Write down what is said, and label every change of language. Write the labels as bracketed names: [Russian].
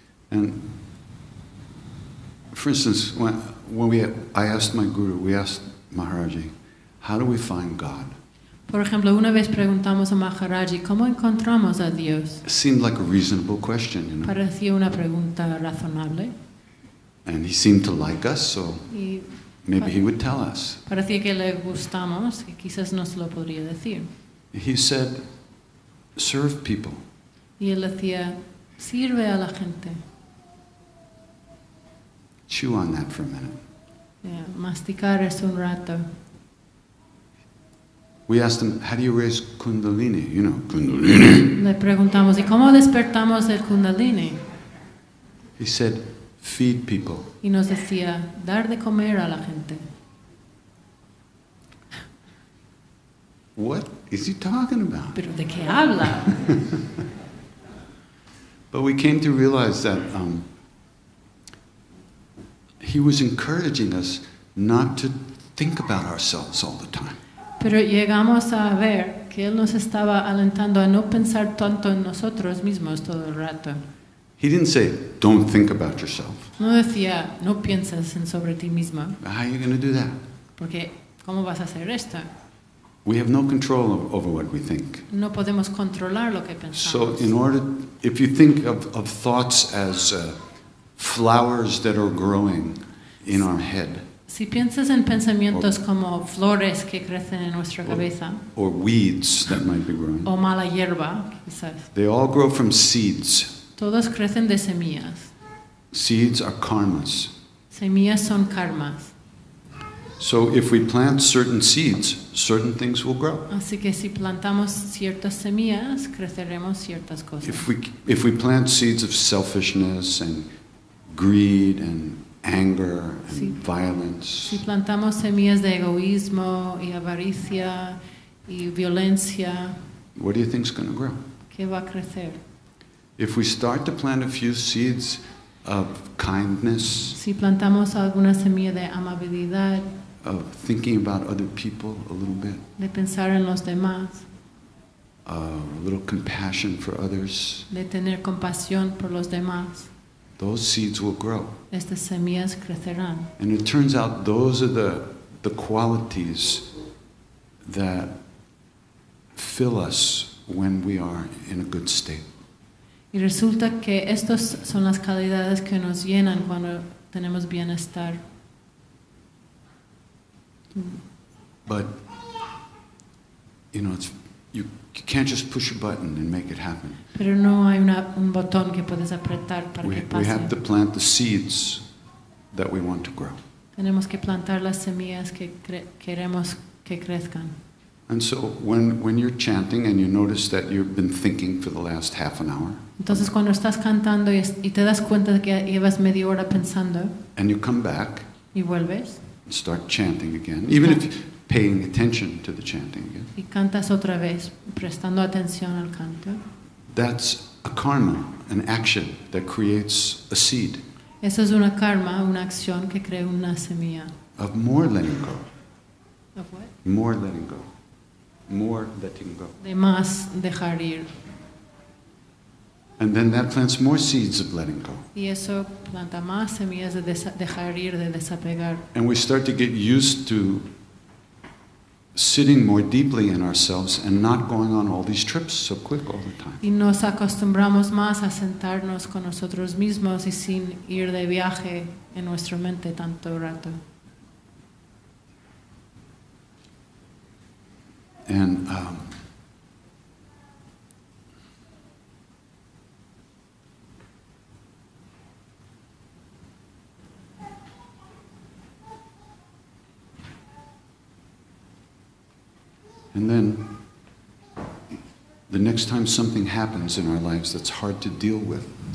[English] And for instance, when we asked Maharajji, how do we find God? [Spanish] Por ejemplo, una vez preguntamos a Maharajji, ¿cómo encontramos a Dios? [English] It seemed like a reasonable question, you know. [Spanish] Parecía una pregunta razonable. [English] And he seemed to like us, so maybe he would tell us. [Spanish] Parecía que le gustamos, y quizás nos lo podría decir. [English] He said, serve people. [Spanish] Y él decía, sirve a la gente. [English] Chew on that for a minute. [Spanish] Yeah, masticar es un rato. [English] We asked him, how do you raise kundalini? You know, kundalini. [Spanish] Le preguntamos, ¿y cómo despertamos el kundalini? [English] He said, feed people. [Spanish] Y nos decía, dar de comer a la gente. [English] What is he talking about? [Spanish] Pero ¿de qué habla? [English] But we came to realize that he was encouraging us not to think about ourselves all the time. [Spanish] Pero llegamos a ver que él nos estaba alentando a no pensar tanto en nosotros mismos todo el rato. [English] He didn't say, "Don't think about yourself." [Spanish] No decía, no pienses en sobre ti mismo. [English] How are you going to do that? [Spanish] Porque ¿cómo vas a hacer esto? [English] We have no control over what we think. [Spanish] No podemos controlar lo que pensamos. [English] So in order, if you think of thoughts as flowers that are growing in our head. [Spanish] Si piensas en pensamientos como flores que crecen en nuestra cabeza. [English] Or weeds that might be growing. [Spanish] O mala hierba, quizás. [English] They all grow from seeds. [Spanish] Todos crecen de semillas. [English] Seeds are karmas. [Spanish] Semillas son karmas. [English] So if we plant certain seeds, certain things will grow. [Spanish] Así que si plantamos ciertas semillas, creceremos ciertas cosas. [English] If we plant seeds of selfishness and greed and anger and violence. [Spanish] Si plantamos semillas de egoísmo y avaricia y violencia. [English] What do you think is going to grow? [Spanish] ¿Qué va a crecer? [English] If we start to plant a few seeds of kindness. [Spanish] Si plantamos alguna semilla de amabilidad. [English] Of thinking about other people a little bit. [Spanish] De pensar en los demás. [English] A little compassion for others. [Spanish] De tener compasión por los demás. [English] Those seeds will grow. [Spanish] Estas semillas crecerán. [English] And it turns out those are the qualities that fill us when we are in a good state. [Spanish] Y resulta que estas son las cualidades que nos llenan cuando tenemos bienestar. [English] But, you know, you can't just push a button and make it happen. [Spanish] Pero no hay un botón que puedes apretar para que pase. [English] We have to plant the seeds that we want to grow. [Spanish] Tenemos que plantar las semillas que queremos que crezcan. [English] And so when you're chanting and you notice that you've been thinking for the last half an hour. [Spanish] Entonces cuando estás cantando y te das cuenta de que llevas media hora pensando. [English] And you come back. [Spanish] Y vuelves. [English] And start chanting again. Even if paying attention to the chanting again. [Spanish] Y cantas otra vez prestando atención al canto. [English] That's a karma, an action that creates a seed. [Spanish] Eso es una karma, una acción que crea una semilla. [English] Of more letting go. Of what? More letting go. More letting go. [Spanish] De más dejar ir. [English] And then that plants more seeds of letting go. [Spanish] Y eso planta más semillas de dejar ir, de desapegar. [English] And we start to get used to sitting more deeply in ourselves and not going on all these trips so quick all the time. [Spanish] Y nos acostumbramos más a sentarnos con nosotros mismos y sin ir de viaje en nuestra mente tanto rato. [English] And and then the next time something happens in our lives that's hard to deal with.